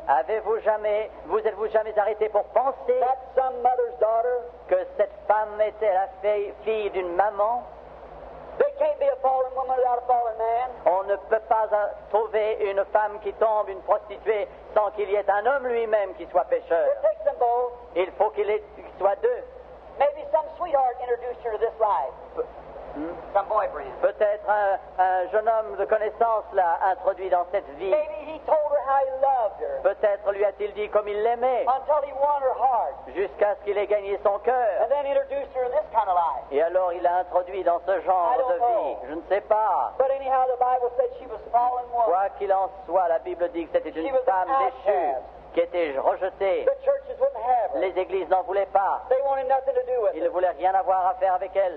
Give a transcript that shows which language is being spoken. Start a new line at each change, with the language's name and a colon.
French: avez-vous jamais, vous êtes-vous jamais arrêté pour penser
English: that some mother's daughter,
French: que cette femme était la fille d'une maman?
English: They can't be a fallen woman without a fallen man.
French: On ne peut pas trouver une femme qui tombe, une prostituée, sans qu'il y ait un homme lui-même qui soit pécheur.
English: It takes them both.
French: Il faut qu'il soit deux.
English: Maybe some sweetheart introduced her to this life. Some boyfriend.
French: Peut-être un jeune homme de connaissance l'a introduit dans cette vie.
English: Maybe he told her how he loved her.
French: Peut-être lui a-t-il dit comme il l'aimait.
English: Until he won her heart.
French: Jusqu'à ce qu'il ait gagné son cœur.
English: And then introduced her in this kind of life.
French: Et alors il l'a introduit dans ce genre de vie.
English: Know.
French: Je ne sais pas.
English: But anyhow, the Bible said she was a fallen woman.
French: Quoi qu'il en soit, la Bible dit que c'était une femme déchue. Qui était rejetée.
English: The churches wouldn't have her.
French: Les églises n'en voulaient pas.
English: They wanted nothing to do with
French: ils ne voulaient rien avoir à faire avec elle.